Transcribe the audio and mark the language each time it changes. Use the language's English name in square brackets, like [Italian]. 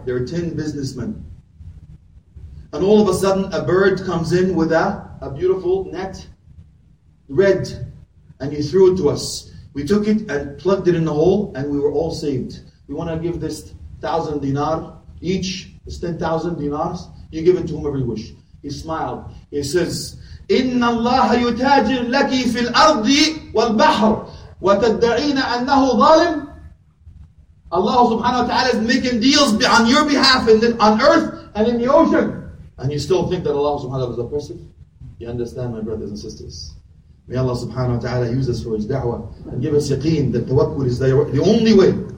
[English] There were 10 businessmen. And all of a sudden, a bird comes in with a beautiful net, red. And he threw it to us. We took it and plugged it in the hole, and we were all saved. We want to give this 1,000 dinar each. It's 10,000 dinars. You give it to whomever you wish. He smiled. [Arabic] He says, إِنَّ اللَّهَ يُتَاجِرْ لَكِ فِي الْأَرْضِ وَالْبَحْرِ وَتَدَّعِينَ أَنَّهُ ظَالِمٌ. [English] Allah subhanahu wa ta'ala is making deals on your behalf and on earth and in the ocean. And you still think that Allah subhanahu wa ta'ala is oppressive? You understand, my brothers and sisters? May Allah subhanahu wa ta'ala use us for His da'wah and give us yaqeen that tawakkul is the only way.